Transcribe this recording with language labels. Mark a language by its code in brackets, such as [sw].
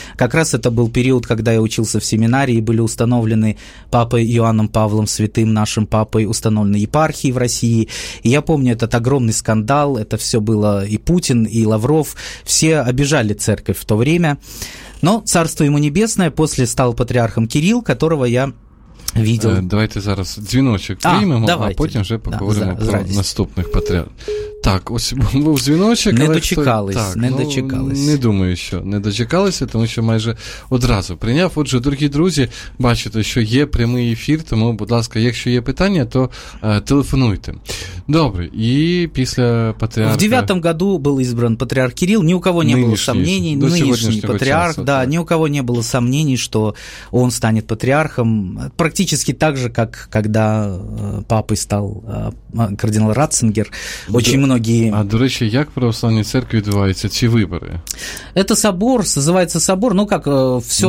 [ru] Как раз это был период, когда я учился в семинарии, были установлены папой Иоанном Павлом Святым, нашим папой, установлены епархии в России. И я помню этот огромный скандал, это все было и Путин, и Лавров. Все обижали церковь в то время. Но царство ему небесное, после стал патриархом Кирилл, которого я видел. [uk] Давайте зараз дзвіночок приймемо, а потім вже поговоримо про радість. Наступних патріархів. Так, ось був дзвіночок. Не дочекались, так, не дочекались. Не думаю, що не дочекалися, тому що майже одразу прийняв. Отже, дорогі друзі, бачите, що є прямий ефір, тому, будь ласка, якщо є питання, то телефонуйте. Добре, і після патріарха... В 9-му году був ізбран патріарх Кирилл, ні у кого не було сомнений, нинішній патріарх, часу, да, ні у кого не було сомнений, що він стане патріархом, [ru] практически так же, как когда папой стал кардинал Ратцингер. Очень многие... А, до речи, как в православной церкви отбываются эти выборы? Это собор, называется собор, ну как все...